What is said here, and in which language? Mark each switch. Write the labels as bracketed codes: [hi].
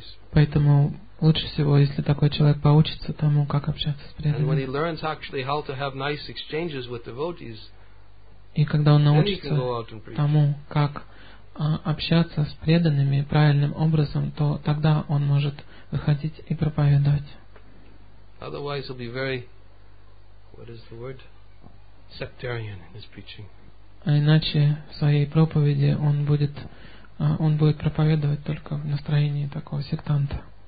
[ru] Поэтому лучше всего, если такой человек поучится тому, как общаться с преданными. [en] And when he learns actually how to have nice exchanges with devotees, [ru] и когда он научится тому, как общаться с преданными правильным образом, то тогда он может выходить и проповедовать. [en] Otherwise, he'll be very, what is the word, sectarian in his preaching. [ru] А иначе в своей проповеди он будет проповедовать только в настроении такого сектанта.